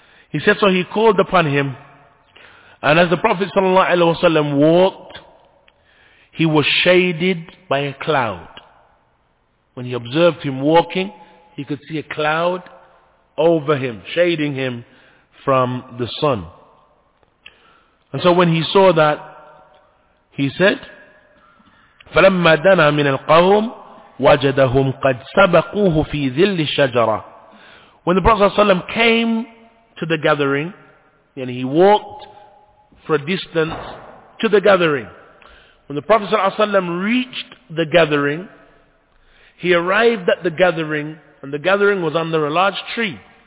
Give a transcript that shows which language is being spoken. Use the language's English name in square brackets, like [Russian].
[English] He said, so he called upon him, and as the Prophet ﷺ walked, he was shaded by a cloud. When he observed him walking, he could see a cloud over him, shading him from the sun. And so when he saw that, he said, [Arabic] "فَلَمَّا دَنَا مِنَ الْقَوْمِ وَجَدَهُمْ قَدْ سَبَقُوهُ فِي ذِلِّ الشَّجَرَةِ." [English] When the Prophet ﷺ came to the gathering, and he walked for a distance to the gathering. When the Prophet ﷺ reached the gathering, he arrived at the gathering, and the gathering was under a large tree.